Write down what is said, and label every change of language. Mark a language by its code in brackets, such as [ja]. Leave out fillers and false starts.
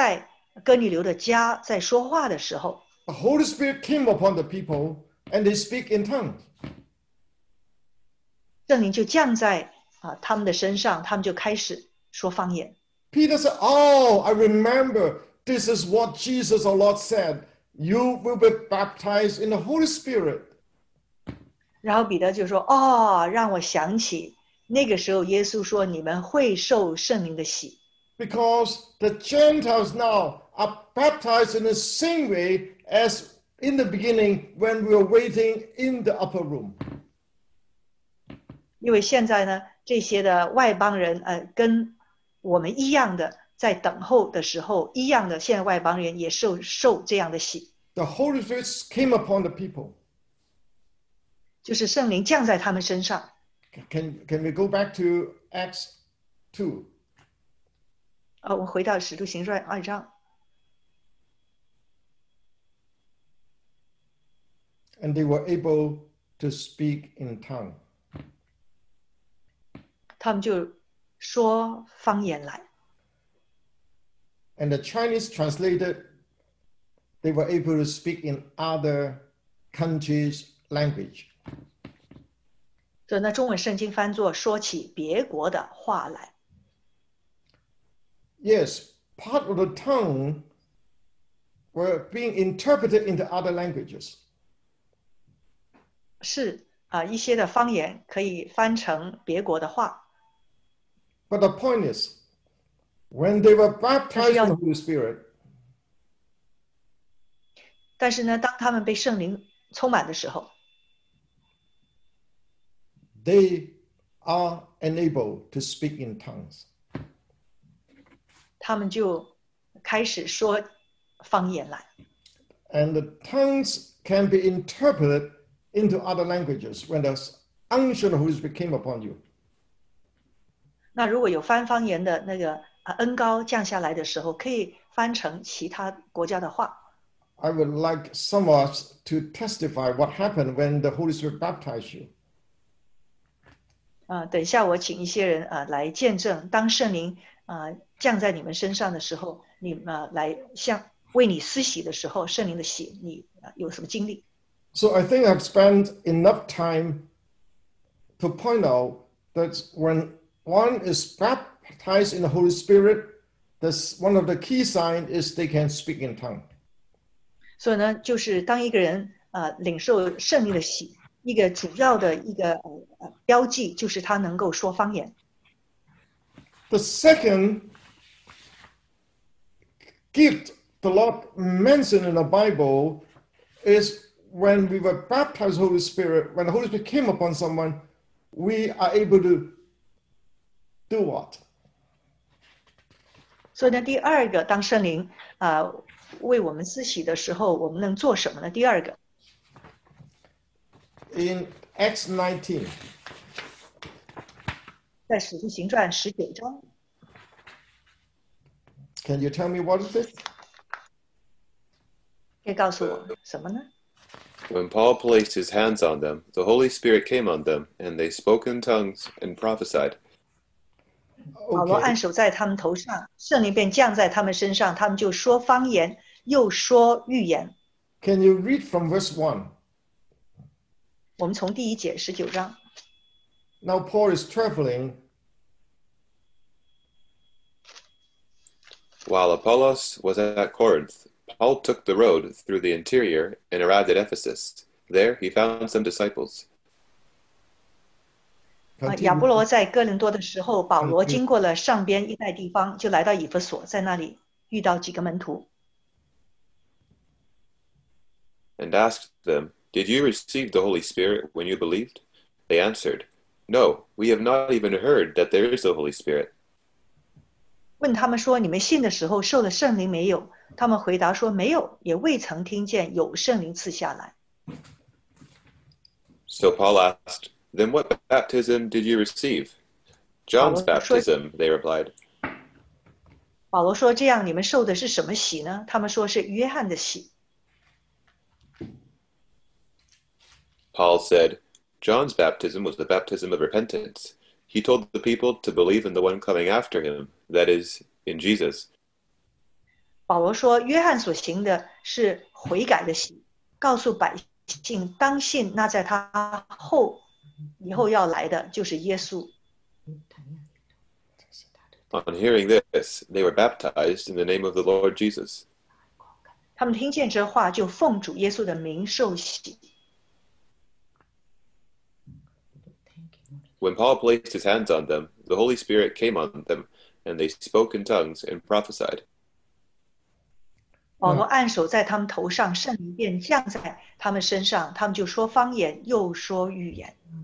[zh] 当彼得还在哥尼流的家在说话的时候, [en] The Holy Spirit came upon the people and they speak in tongues. [zh] 圣灵就降在他们的身上，他们就开始说方言。 [en] Peter said, Oh, I remember this is what Jesus our Lord said. You will be baptized in the Holy Spirit. [zh] 然后彼得就说，哦，让我想起那个时候耶稣说你们会受圣灵的洗。 [en] Because the Gentiles now are baptized in the same way as in the beginning when we were waiting in the upper room. [zh] 因为现在呢，这些的外邦人，跟我们一样的，在等候的时候，一样的，现在外邦人也受这样的洗。 [en] The Holy Spirit came upon the people. [zh] 就是圣灵降在他们身上。 [en] Can we go back to Acts 2? [zh] 哦，我回到《使徒行传》二章。 [en] And they were able to speak in tongue. [zh] 他们就说方言来。 [en] And the Chinese translated, they were able to speak in other countries' language. [zh] 所以那中文圣经翻作说起别国的话来。 [en] Yes, part of the tongue were being interpreted into other languages. [zh] 是、一些的方言可以翻成别国的话。 [en] But the point is, when they were baptized in the Holy Spirit, [zh] 但是呢，当他们被圣灵充满的时候， [en] they are enabled to speak in tongues. [zh] 他们就开始说方言来。 [en] And the tongues can be interpreted into other languages when the unction of Holy Spirit came upon you. [zh] 那如果有翻方言的那个恩膏降下来的时候，可以翻成其他国家的话。 [en] I would like some of us to testify what happened when the Holy Spirit baptized you. [zh] 等一下我请一些人来见证，当圣灵降在你们身上的时候，你们来向为你施洗的时候，圣灵的洗，你有什么经历 [en] ？So I think I've spent enough time to point out that when one is baptized in the Holy Spirit, that's one of the key signs is they can speak in tongue. [zh] 所以呢，就是当一个人领受圣灵的洗，一个主要的一个标记就是他能够说方言。 [en] The second gift the Lord mentioned in the Bible is when we were baptized with the Holy Spirit, when the Holy Spirit came upon someone, we are able to do what? So, the second, when the Holy Spirit [zh] 为我们施洗的时候，我们能做什么呢？第二个。 [en] In Acts 19. [zh] 在使徒行传十九章。 [en] Can you tell me what is it? [zh] 可以告诉我什么呢? [en] When Paul placed his hands on them, the Holy Spirit came on them, and they spoke in tongues and prophesied. [zh] 保罗按手在他们头上，圣灵便降在他们身上，他们就说方言，又说预言。 [en] Can you read from verse 1? [zh] 我们从第一节十九章。 [en] Now Paul is traveling. While Apollos was at Corinth, Paul took the road through the interior and arrived at Ephesus. There he found some disciples. [zh] 亚波罗在哥林多的时候，保罗经过了上边一带地方，就来到以弗所，在那里遇到几个门徒。 [en] And asked them, "Did you receive the Holy Spirit when you believed?" They answered, "No, we have not even heard that there is the Holy Spirit." [zh] 问他们说你们信的时候受了圣灵没有，他们回答说没有，也未曾听见有圣灵赐下来。 [en] So Paul asked, "Then what baptism did you receive?" "John's baptism," they replied. [zh] 保罗说这样你们受的是什么洗呢？他们说是约翰的洗。 [en] Paul said, "John's baptism was the baptism of repentance. He told the people to believe in the one coming after him. That is, in Jesus. [zh] 保罗说约翰所行的是悔改的洗，告诉百姓当信那在他后以后要来的就是耶稣。 [en] On hearing this, they were baptized in the name of the Lord Jesus. [zh] 他们听见这话就奉主耶稣的名受洗。 [en] When Paul placed his hands on them, the Holy Spirit came on them, and they spoke in tongues and prophesied. [zh] 保罗按手在他们头上，圣灵便降在他们身上，他们就说方言，又说预言。